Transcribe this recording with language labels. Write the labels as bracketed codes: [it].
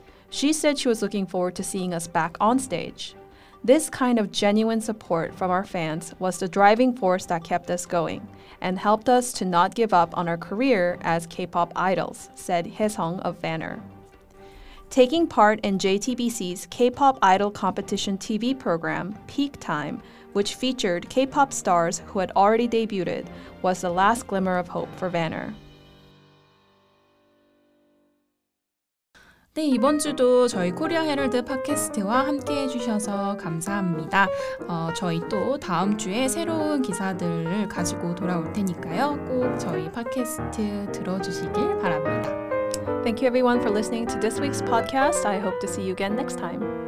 [en] She said she was looking forward to seeing us back on stage. This kind of genuine support from our fans was the driving force that kept us going and helped us to not give up on our career as K-pop idols, said Hye-sung of Banner. Taking part in JTBC's K-pop Idol Competition TV program, Peak Time, which featured K-pop stars who had already debuted, was the last glimmer of hope for Banner. [ko] 네, 이번 주도 저희 코리아 헤럴드 팟캐스트와 함께해 주셔서 감사합니다. 저희 또 다음 주에 새로운 기사들을 가지고 돌아올 테니까요. 꼭 저희 팟캐스트 들어주시길 바랍니다. [en] Thank you everyone for listening to this week's podcast. I hope to see you again next time.